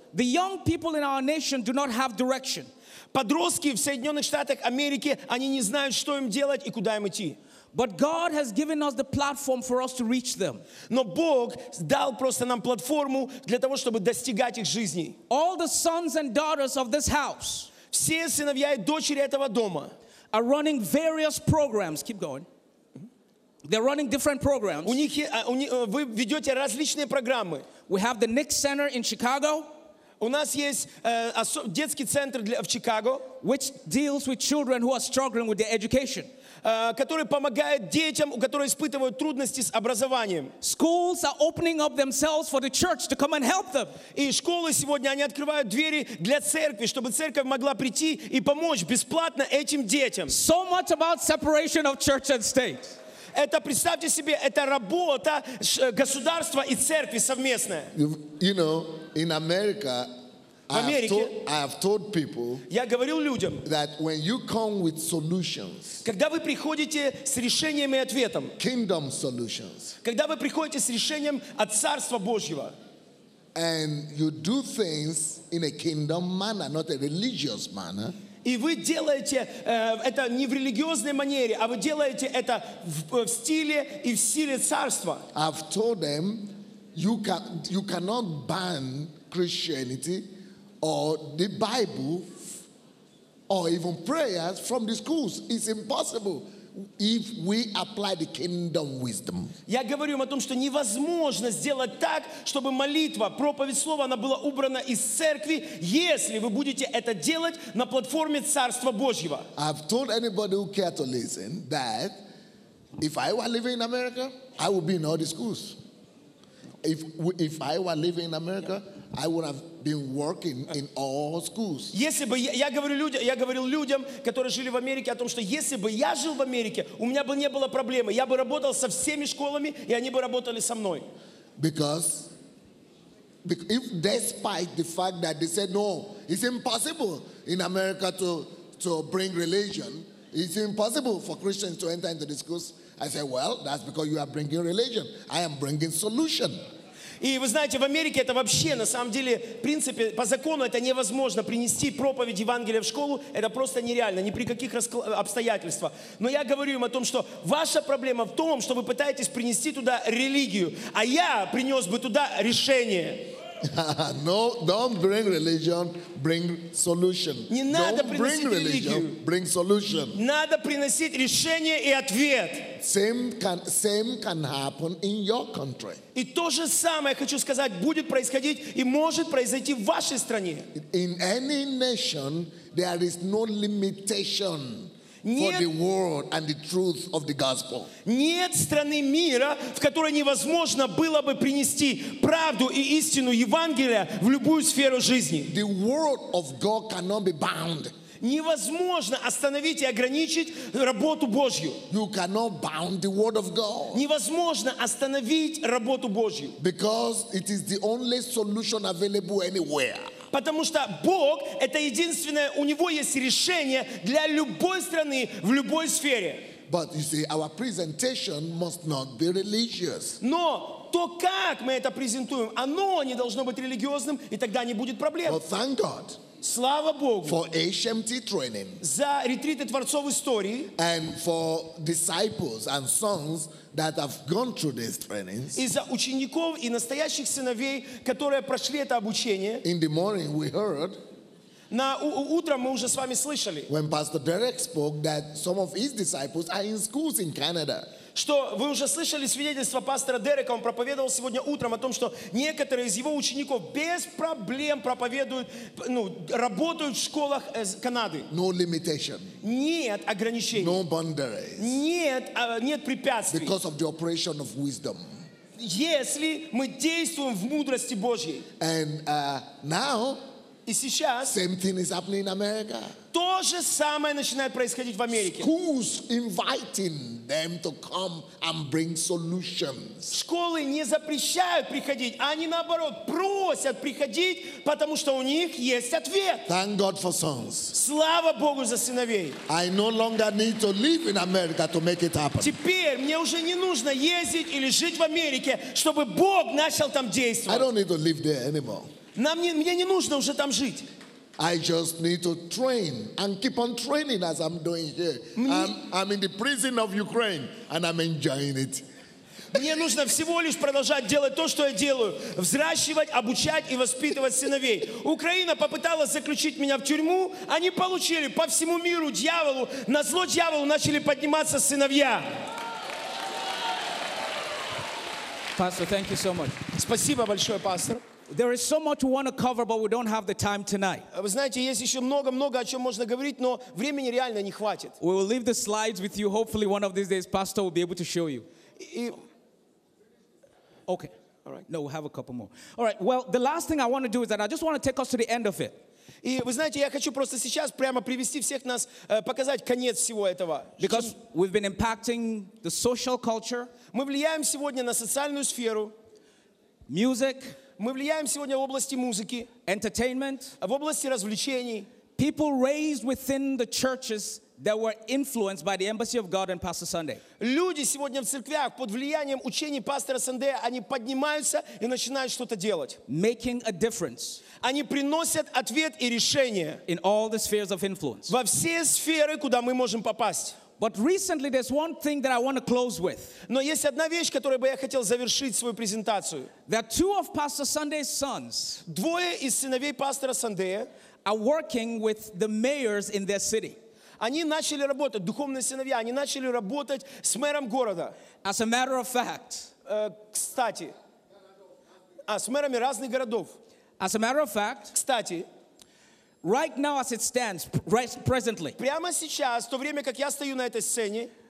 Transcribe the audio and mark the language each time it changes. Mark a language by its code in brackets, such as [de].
[en] The young people in our nation do not have direction. [ru] Подростки в Соединенных Штатах Америки, они не знают, что им делать и куда им идти. [en] But God has given us the platform for us to reach them. [ru] Но Бог дал просто нам платформу для того, чтобы достигать их жизни. [en] All the sons and daughters of this house. [ru] Все сыновья и дочери этого дома. [en] Are running various programs. Keep going. They're running different programs. [ru] У них вы ведете различные программы. [en] We have the Nick Center in Chicago. [ru] У нас есть детский центр в Чикаго, [en] which deals with children who are struggling with their education. [ru] Который помогает детям, которые испытывают трудности с образованием. [en] Schools are opening up themselves for the church to come and help them. [ru] И школы сегодня они открывают двери для церкви, чтобы церковь могла прийти и помочь бесплатно этим детям. [en] So much about separation of church and state. [ru] Это представьте себе, это работа государства и церкви совместная. [en] You know, in America, I have told people, [ru] я говорил людям, [en] that when you come with solutions, [ru] когда вы приходите с решениями и ответом, [en] kingdom solutions, [ru] когда вы приходите с решением от Царства Божьего, [en] and you do things in a kingdom manner, not a religious manner. [ru] И вы делаете это не в религиозной манере, а вы делаете это в стиле и в силе царства. [en] I've told them, you cannot ban Christianity or the Bible or even prayers from the schools. It's impossible if we apply the kingdom wisdom. [ru] Я говорю о том, что невозможно сделать так, чтобы молитва, проповедь слова, она была убрана из церкви, если вы будете это делать на платформе Царства Божьего. [en] I've told anybody who care to listen that if I were living in America, I would be in all the schools. If I were living in America, I would have been working in all schools. [ru] Если бы я говорил людям, которые жили в Америке, о том, что если бы я жил в Америке, у меня бы не было проблемы. Я бы работал со всеми школами, и они бы работали со мной. [en] Because if despite the fact that they said no, it's impossible in America to bring religion, it's impossible for Christians to enter into the schools. I said, well, that's because you are bringing religion. I am bringing solution. [ru] И вы знаете, в Америке это вообще, на самом деле, в принципе, по закону это невозможно принести проповедь Евангелия в школу. Это просто нереально, ни при каких обстоятельствах. Но я говорю им о том, что ваша проблема в том, что вы пытаетесь принести туда религию, а я принес бы туда решение. [en] No, don't bring religion, bring solution. [ru] Не надо приносить религию. [en] Bring solution. [ru] Надо приносить решение и ответ. [en] Same can happen in your country. [ru] И то же самое, хочу сказать, будет происходить и может произойти в вашей стране. [en] In any nation, there is no limitation for the word and the truth of the gospel. [ru] Нет страны мира, в которой невозможно было бы принести правду и истину Евангелия в любую сферу жизни. [en] The word of God cannot be bound. [ru] Невозможно остановить и ограничить работу Божью. [en] You cannot bound the word of God. [ru] Невозможно остановить работу Божью. [en] Because it is the only solution available anywhere. [ru] Потому что Бог — это единственное, у Него есть решение для любой страны в любой сфере. [en] But you see, our presentation must not be religious. [ru] Но то, как мы это презентуем, оно не должно быть религиозным, и тогда не будет проблем. [en] Well, thank God. [ru] Слава Богу. [en] For HMT training. [ru] За ретриты Творцов истории. [en] And for disciples and sons that have gone through these trainings. [ru] И за учеников и настоящих сыновей, которые прошли это обучение. [en] In the morning we heard. [ru] На утром мы уже с вами слышали. [en] When Pastor Derek spoke that some of his disciples are in schools in Canada. [ru] Что вы уже слышали свидетельство пастора Дерека, он проповедовал сегодня утром о том, что некоторые из его учеников без проблем проповедуют, ну, работают в школах Канады. [en] No limitation. [ru] Нет ограничений. [en] No boundaries. [ru] Нет препятствий. [en] Because of the operation of wisdom. [ru] Если мы действуем в мудрости Божьей. [en] And now, [ru] И сейчас [en] same thing is happening in America. [ru] То же самое начинает происходить в Америке. [en] Schools inviting them to come and bring solutions. [ru] Школы не запрещают приходить, они наоборот просят приходить, потому что у них есть ответ. [en] Thank God for sons. [ru] Слава Богу за сыновей. [en] I no longer need to live in America to make it happen. [ru] Теперь мне уже не нужно ездить или жить в Америке, чтобы Бог начал там действовать. [en] I don't need to live there anymore. [ru] Мне не нужно уже там жить. [en] I just need to train and keep on training as I'm doing here. I'm in the prison of Ukraine and I'm enjoying it. [ru] Мне нужно всего лишь продолжать делать то, что я делаю. Взращивать, обучать и воспитывать сыновей. Украина попыталась заключить меня в тюрьму. Они получили по всему миру дьяволу. На зло дьяволу начали подниматься сыновья. [en] Pastor, thank you so much. [ru] Спасибо большое, пастор. [en] There is so much we want to cover, but we don't have the time tonight. [ru] Вы знаете, есть еще много-много о чем можно говорить, но времени реально не хватит. [en] We will leave the slides with you. Hopefully, one of these days, Pastor will be able to show you. Okay. All right. No, we have a couple more. All right. Well, the last thing I want to do is that I just want to take us to the end of it. [ru] И вы знаете, я хочу просто сейчас прямо привести всех нас, показать конец всего этого. [en] Because we've been impacting the social culture. [ru] Мы влияем сегодня на социальную сферу. [en] Music. [ru] Мы влияем сегодня в области музыки, [en] entertainment, [ru] в области развлечений. [en] People raised within the churches that were influenced by the embassy of God and Pastor Sunday. [ru] Люди сегодня в церквях под влиянием учений пастора Сандея, они поднимаются и начинают что-то делать. [en] Making a difference. [ru] Они приносят ответ и решение. [en] In all the spheres of influence. [ru] Во все сферы, куда мы можем попасть. [en] But recently there's one thing that I want to close with. [ru] Но есть одна вещь, которой бы я хотел завершить свою презентацию. [en] That two of Pastor Sunday's sons, [ru] двое из сыновей пастора Сандея, [en] are working with the mayors in their city. [ru] Они начали работать, духовные сыновья, они начали работать с мэром города. [en] As a matter of fact, [ru] кстати, с мэрами разных городов. [en] As a matter of fact, [ru] кстати, [en] right now, as it stands, presently, [ru] прямо сейчас, то время как я стою на этой сцене,